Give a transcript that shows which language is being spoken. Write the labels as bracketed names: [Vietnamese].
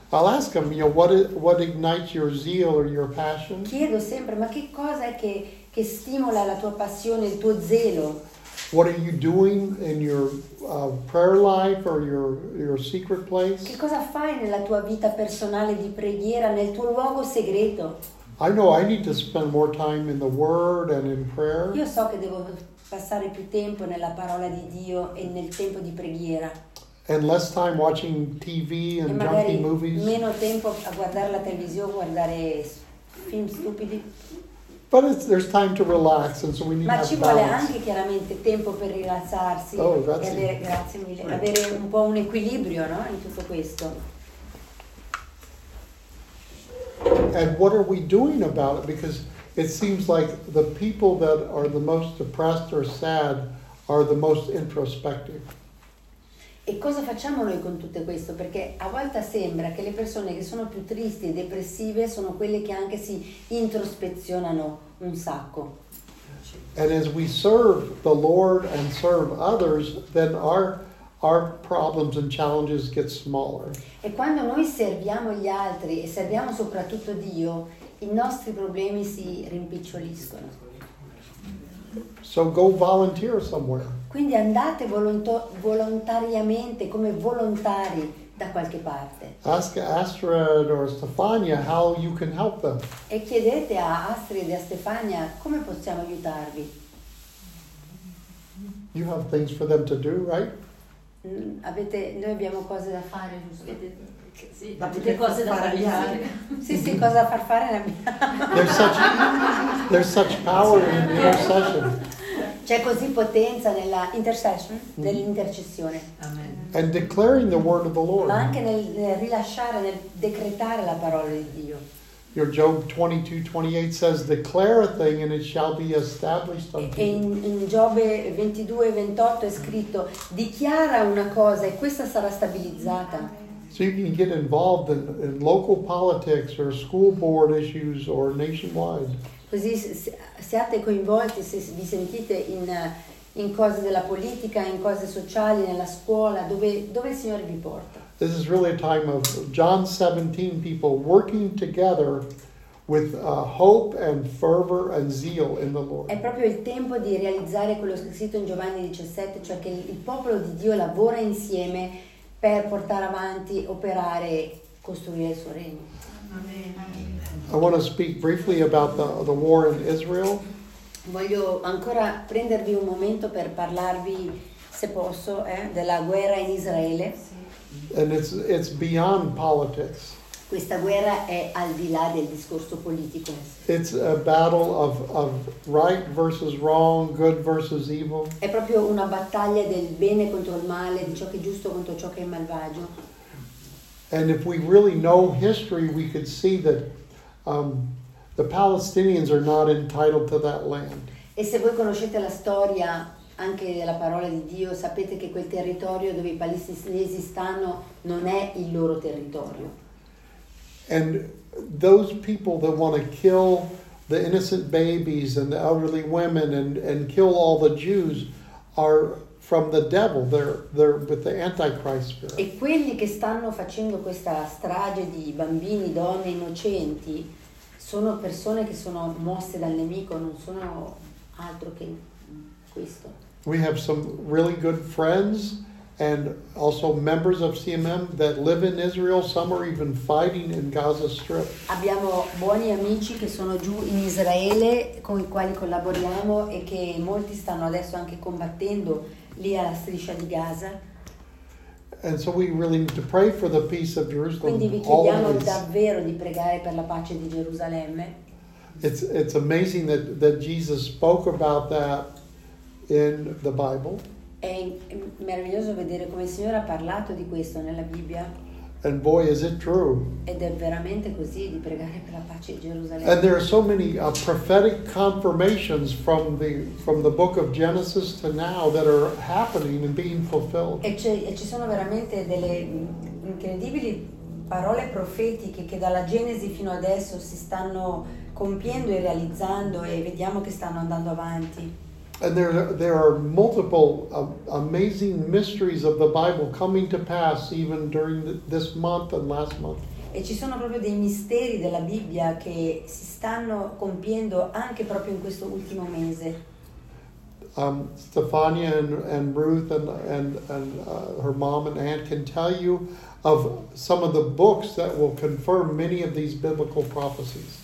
[English] I'll ask them, you know, what ignites your zeal or your passion? [Italian] Chiedo sempre, ma che cosa è che stimola la tua passione, il tuo zelo? [English] What are you doing in your prayer life or your secret place? [Italian] Che cosa fai nella tua vita personale di preghiera, nel tuo luogo segreto? [English] I know I need to spend more time in the Word and in prayer. [Italian] Io so che devo passare più tempo nella parola di Dio e nel tempo di preghiera. [English] And less time watching TV and junky movies. [Italian] Meno tempo a guardare la televisione, guardare film stupidi. [English] But there's time to relax, and so we need to have [Italian] Ma ci vuole anche chiaramente tempo per rilassarsi avere un po' un equilibrio, no, in tutto questo. [English] And what are we doing about it? Because it seems like the people that are the most depressed or sad are the most introspective. [Italian] E cosa facciamo noi con tutto questo? Perché a volte sembra che le persone che sono più tristi e depressive sono quelle che anche si introspezionano un sacco. [English] And as we serve the Lord and serve others, then our problems and challenges get smaller. [Italian] E quando noi serviamo gli altri e serviamo soprattutto Dio, i nostri problemi si rimpiccioliscono. [English] So go volunteer somewhere. [Italian] Quindi andate volontariamente, come volontari, da qualche parte. [English] Ask Astrid or Stefania how you can help them. [Italian] E chiedete a Astrid e a Stefania come possiamo aiutarvi. [English] You have things for them to do, right? [Italian] Noi abbiamo cose da fare, giusto? Sì, avete cose da fare. Sì, cosa far fare la mia. [English] There's such power in intercession. [Italian] C'è così potenza nella intercession, nell'intercessione. [English] Amen. And declaring the word of the Lord. [Italian] Ma anche nel rilasciare, nel decretare la parola di Dio. [English] You your Job 22:28 says, declare a thing and it shall be established unto you. [Italian] In Giobbe 22:28 è scritto, dichiara una cosa e questa sarà stabilizzata. [English] So you can get involved in local politics or school board issues or nationwide. [Italian] Così siate coinvolti se vi sentite in cose della politica, in cose sociali, nella scuola, dove il Signore vi porta. [English] This is really a time of John 17 people working together with hope and fervor and zeal in the Lord. [Italian] È proprio il tempo di realizzare quello scritto in Giovanni 17, cioè che il popolo di Dio lavora insieme per portare avanti, operare, costruire il suo regno. [English] I want to speak briefly about the war in Israel. [Italian] Voglio ancora prendervi un momento per parlarvi, se posso, della guerra in Israele. [English] And it's beyond politics. [Italian] Questa guerra è al di là del discorso politico. [English] It's a battle of right versus wrong, good versus evil. [Italian] È proprio una battaglia del bene contro il male, di ciò che è giusto contro ciò che è malvagio. [English] And if we really know history, we could see that the Palestinians are not entitled to that land. [Italian] E se voi conoscete la storia anche della parola di Dio, sapete che quel territorio dove i palestinesi stanno non è il loro territorio. [English] And those people that want to kill the innocent babies and the elderly women and kill all the Jews are from the devil. They're with the Antichrist spirit. [Italian] E quelli che stanno facendo questa strage di bambini, donne innocenti sono persone che sono mosse dal nemico, non sono altro che questo. [English] We have some really good friends and also members of CMM that live in Israel. Some are even fighting in Gaza Strip. [Italian] Abbiamo buoni amici che sono giù in Israele con i quali collaboriamo e che molti stanno adesso anche combattendo lì alla striscia di Gaza. [English] And so we really need to pray for the peace of Jerusalem. [Italian] Quindi vi chiediamo davvero di pregare per la pace di Gerusalemme. [English] It's amazing that Jesus spoke about that in the Bible. [Italian] È meraviglioso vedere come il Signore ha parlato di questo nella Bibbia. [English] And boy, is it true. [Italian] Ed è veramente così di pregare per la pace di Gerusalemme. [English] And there are so many prophetic confirmations from the book of Genesis to now that are happening and being fulfilled. [Italian] E ci sono veramente delle incredibili parole profetiche che dalla Genesi fino adesso si stanno compiendo e realizzando e vediamo che stanno andando avanti. [English] And there are multiple amazing mysteries of the Bible coming to pass even during this month and last month. [Italian] E ci sono proprio dei misteri della Bibbia che si stanno compiendo anche proprio in questo ultimo mese. [English] Stefania and Ruth and her mom and aunt can tell you of some of the books that will confirm many of these biblical prophecies.